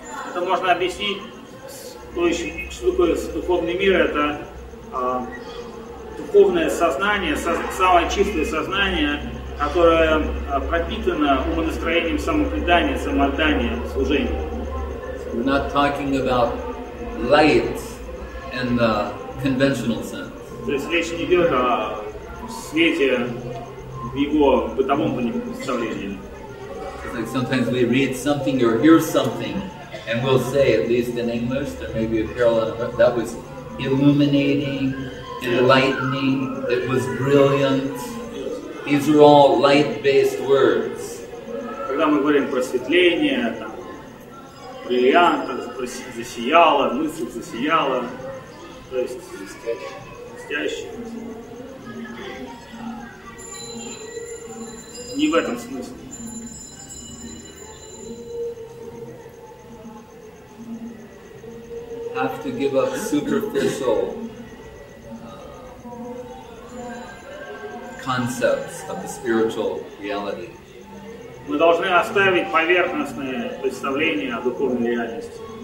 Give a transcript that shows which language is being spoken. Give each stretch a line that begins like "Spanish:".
Russian: Это можно объяснить, что такое духовный мир, это духовное сознание, самое чистое сознание, которое пропитано умонастроением самопредания, самоотдания, служения.
English: We're not talking about light in the conventional sense.
Russian: То есть речь не идет о свете в его бытовом представлении.
English: Like sometimes we read something or hear something, and we'll say, at least in English, there may be a parallel, but that was illuminating, enlightening, it was brilliant. These are all light-based words.
Russian: Когда мы говорим просветление, бриллиант засияло, мысль засияла, то есть блестящий. Не в этом смысле.
English: Have to give up superficial concepts of the spiritual reality.
Russian: Мы должны оставить поверхностные представления о духовной реальности.